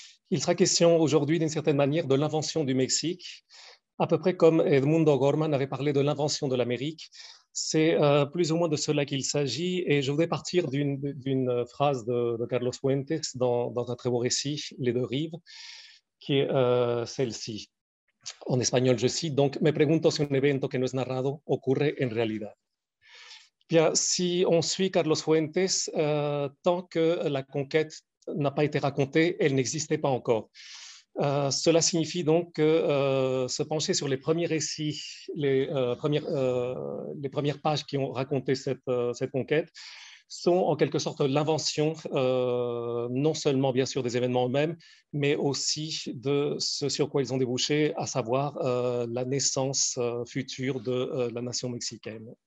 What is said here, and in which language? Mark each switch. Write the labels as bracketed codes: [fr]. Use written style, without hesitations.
[fr] Il sera question aujourd'hui, d'une certaine manière, de l'invention du Mexique, à peu près comme Edmundo Gorman avait parlé de l'invention de l'Amérique. C'est plus ou moins de cela qu'il s'agit, et je voudrais partir d'une phrase de Carlos Fuentes dans un très beau récit, Les deux rives, qui est celle-ci. En espagnol, je cite, donc, [es] me pregunto si un evento que no es narrado ocurre en realidad. [fr] Bien, si on suit Carlos Fuentes, tant que la conquête n'a pas été racontée, elle n'existait pas encore. Cela signifie donc que se pencher sur les premiers récits, les premières pages qui ont raconté cette conquête, sont en quelque sorte l'invention, non seulement bien sûr des événements eux-mêmes, mais aussi de ce sur quoi ils ont débouché, à savoir la naissance future de la nation mexicaine.